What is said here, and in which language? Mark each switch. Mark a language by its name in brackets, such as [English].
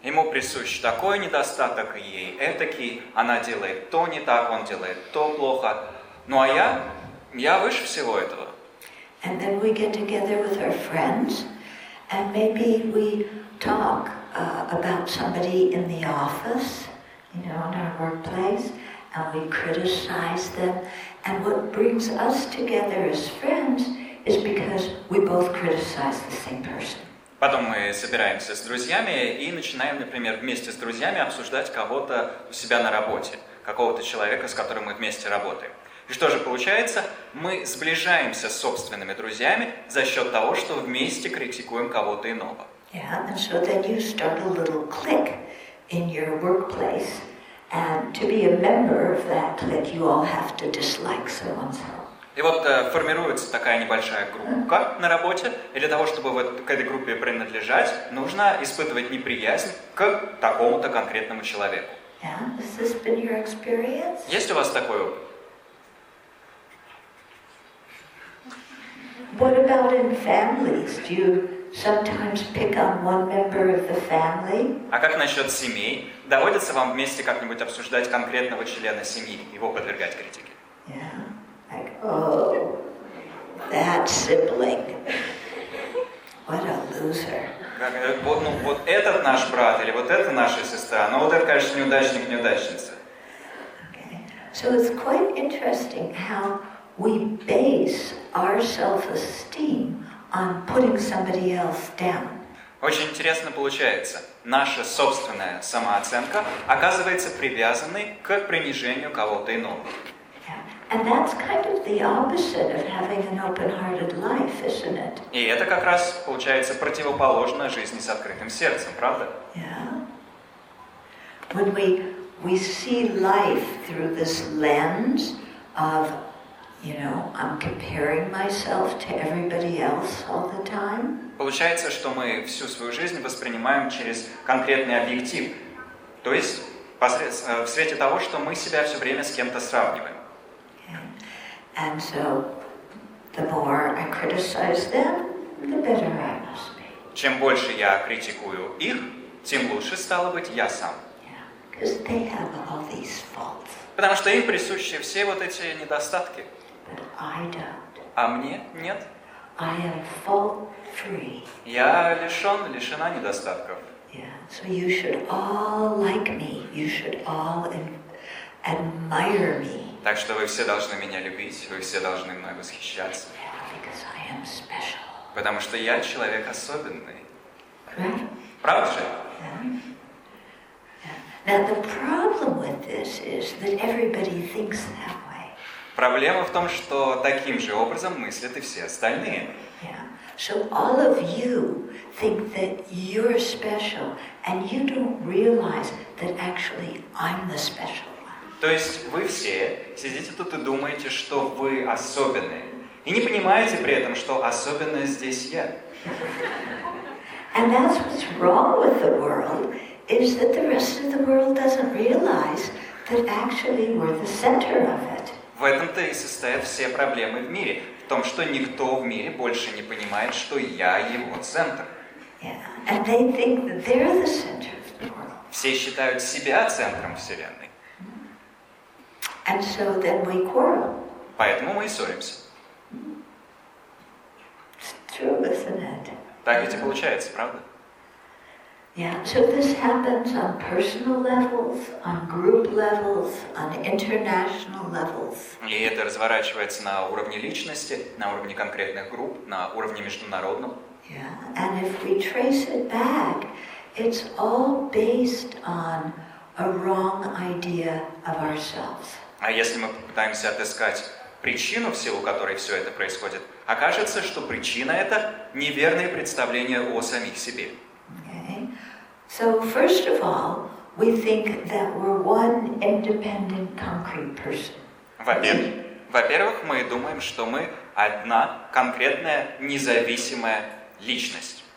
[Russian] присущ такой недостаток, ей этакий, она делает то не так, он делает то плохо. Ну а я выше всего этого. [English] And then we get together with our friends, and maybe we talk about somebody in the office, you know, in our workplace, and we criticize them. And what brings us together as friends is because we both criticize the same person. [Russian] Потом мы собираемся с друзьями и начинаем, например, вместе с друзьями обсуждать кого-то у себя на работе, какого-то человека, с которым мы вместе работаем. И что же получается? Мы сближаемся с собственными друзьями за счет того, что вместе критикуем кого-то иного. [English] Yeah, and so then you start a little clique in your workplace, and to be a member of that clique, you all have to dislike someone's help. [Russian] И вот формируется такая небольшая группа на работе, и для того, чтобы вот к этой группе принадлежать, нужно испытывать неприязнь к такому-то конкретному человеку. [English] Yeah, has this been your experience? [Russian] Есть у вас такой опыт? [English] What about in families? Do you sometimes pick on one member of the family? [Russian] А как насчет семей? Доводится вам вместе как-нибудь обсуждать конкретного члена семьи, его подвергать критике? [English] Yeah. Oh, that sibling. What a loser. [Russian] Вот этот наш брат или вот эта наша сестра, но вот это, конечно, неудачник, неудачница. [English] So it's quite interesting how we base our self-esteem on putting somebody else down. [Russian] Очень интересно получается. Наша собственная самооценка оказывается привязанной к принижению кого-то иного. [English] And that's kind of the opposite of having an open-hearted life, isn't it? [Russian] И это как раз получается противоположно жизни с открытым сердцем, правда? [English] Yeah. When we see life through this lens of, you know, I'm comparing myself to everybody else all the time. [Russian] Получается, что мы всю свою жизнь воспринимаем через конкретный объектив. То есть в свете того, что мы себя все время с кем-то сравниваем. [English] And so, the more I criticize them, the better I must be. [Russian] Чем больше я критикую их, тем лучше стало быть я сам. [English] Yeah, because they have all these faults. [Russian] Потому что им присущи все вот эти недостатки. [English] But I don't. [Russian] А мне нет. [English] I am fault-free. [Russian] Я лишена недостатков. [English] Yeah, so you should all like me. You should all admire me. [Russian] Так что вы все должны меня любить, вы все должны мной восхищаться. [English] Yeah, [Russian] потому что я человек особенный. [English] Right? [Russian] Правда же? [English] Yeah. Yeah. [Russian] Проблема в том, что таким же образом мыслят и все остальные. [English] So all of you think that you're special, and you don't realize that actually I'm the special. [Russian] То есть вы все сидите тут и думаете, что вы особенные. И не понимаете при этом, что особенная здесь я. [English] And that's what's wrong with the world, is that the rest of the world doesn't realize that actually we're the center of it. [Russian] В этом-то и состоят все проблемы в мире. В том, что никто в мире больше не понимает, что я его центр. [English] Yeah. And they think that they're the center of the world. [Russian] Все считают себя центром Вселенной. [English] And so then we quarrel. [Russian] Поэтому мы и ссоримся. [English] It's true, isn't it? [Russian] Так ведь и получается, правда? [English] Yeah. So this happens on personal levels, on group levels, on international levels. [Russian] И это разворачивается на уровне личности, на уровне конкретных групп, на уровне международном. [English] Yeah. And if we trace it back, it's all based on a wrong idea of ourselves. [Russian] А если мы попытаемся отыскать причину, в силу которой все это происходит, окажется, что причина — это неверные представления о самих себе. [English] Okay. So, first of all, we think that we're one independent, concrete person. [Russian] Во-первых, мы думаем, что мы одна конкретная независимая личность.